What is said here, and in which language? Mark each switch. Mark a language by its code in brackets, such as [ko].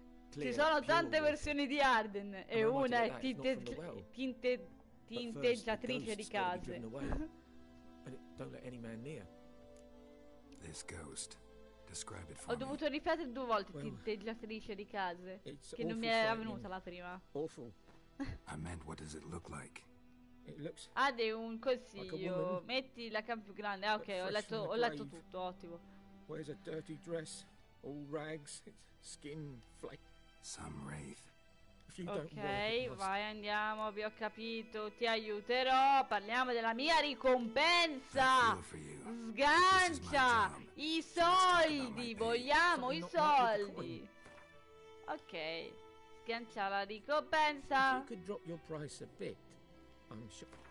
[it] Ci sono tante versioni di Arden e una è tinteggiatrice di case. [en] Don't let any man near. This ghost. Describe it for me. [it] Ho dovuto ripetere due volte tinteggiatrice di case, che non mi era venuta la prima. [en] I meant what does it look like? [it] Ah, è un consiglio. Metti la cam più grande. Ah, ok, ho letto tutto, ottimo. [en] Where's a dirty dress? All rags, it's skin flak. Some wraith. [it] Ok, vai, andiamo, vi ho capito, ti aiuterò. Parliamo della mia ricompensa. Sgancia i soldi, vogliamo i soldi. Ok, sgancia la ricompensa. [en] If you could drop your price a bit, I'm sure.